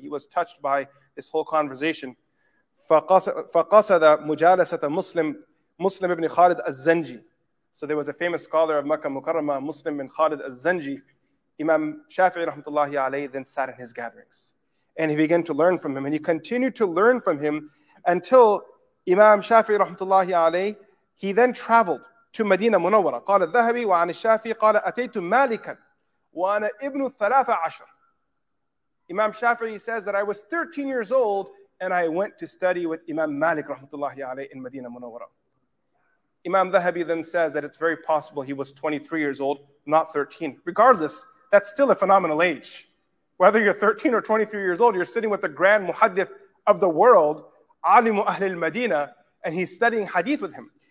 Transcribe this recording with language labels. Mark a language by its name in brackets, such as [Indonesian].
[English] He was touched by this whole conversation. [Arabic] فَقَصَدَ مُجَالَسَةَ مُسْلِمْ ابْنِ خَالِدْ الزَّنْجِي [English] So there was a famous scholar of Makkah Mukarramah, Muslim bin Khalid al-Zanji. Imam Shafi'i rahmatullahi alayhi then sat in his gatherings. And he began to learn from him. And he continued to learn from him until Imam Shafi'i rahmatullahi alayhi, he then traveled to Medina Munawwara. [Arabic] قال الذهبي وعن الشافعي قال أتيت مالكا وأنا ابن الثلاثة عشر. [English] Imam Shafi'i says that I was 13 years old and I went to study with Imam Malik rahmatullahi alayhi in Medina Munawwara. Imam Dhahabi then says that it's very possible he was 23 years old, not 13. Regardless, that's still a phenomenal age. Whether you're 13 or 23 years old, you're sitting with the grand muhaddith of the world, Alimu Ahlil Medina, and he's studying hadith with him.